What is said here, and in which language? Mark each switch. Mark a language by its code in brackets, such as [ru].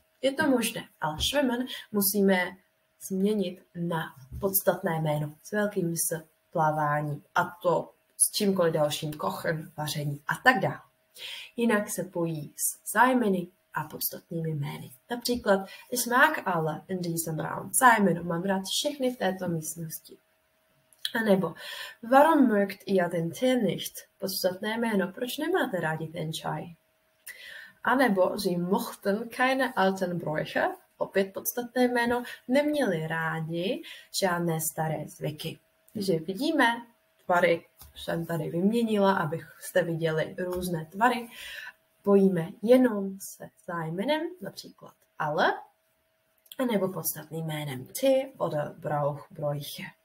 [cs] Je to možné, ale schwimmen musíme změnit na podstatné jméno s velkým s plavání a to s čímkoliv dalším, kochen, vaření a tak dále. Jinak se pojí s zájmeny a podstatnými jmény. Například [de] ich mag alle in diesem Raum. [cs] Zájmenu mám rád všechny v této místnosti. A nebo, [de] warum mögt ihr den Tee nicht? [cs] Podstatné jméno, proč nemáte rádi ten čaj? A nebo, [de] sie mochten keine alten Bräuche? [cs] Opět podstatné jméno, neměli rádi žádné staré zvyky. Takže vidíme, tvary jsem tady vyměnila, abyste viděli různé tvary. Pojíme jenom se zájmenem, například ale, a nebo podstatným jménem ty oder Brauch Bräuche.